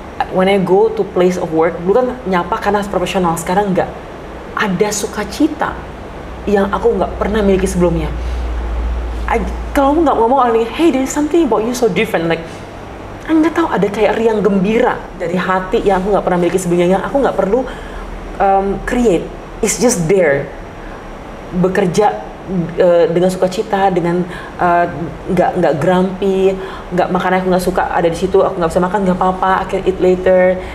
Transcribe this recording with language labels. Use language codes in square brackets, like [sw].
[en] When I go to place of work, [id] dulu kan nyapa karena profesional, sekarang nggak. Ada sukacita yang aku nggak pernah miliki sebelumnya. Kalau nggak ngomong orang ini, [en] hey, there's something about you so different. [id] Like, nggak tahu ada kayak riang gembira dari hati yang aku nggak pernah miliki sebelumnya. Yang aku nggak perlu create, [en] it's just there. [id] Bekerja dengan sukacita, dengan nggak grumpy, nggak makan aku nggak suka ada di situ, aku nggak bisa makan nggak apa-apa, [en] I can eat later.